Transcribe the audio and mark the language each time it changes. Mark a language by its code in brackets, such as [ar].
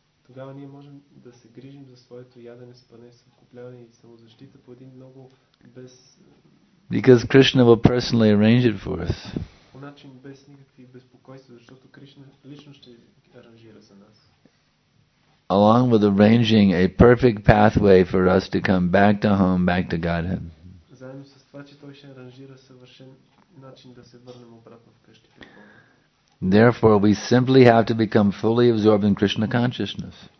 [bg] Тогава ние можем да се грижим за своето ядене, спане, съвкупляване и самозащита по един много без... [en] Because Krishna will personally arrange it for us. [bg] По начин без никакви безпокойства, защото Кришна лично ще аранжира за нас. [en] Along with arranging a perfect pathway for us to come back to home, back to Godhead. [bg] Заедно с това, че той ще аранжира съвършен начин да се върнем обратно в къщи. [en] Therefore, we simply have to become fully absorbed in Krishna consciousness.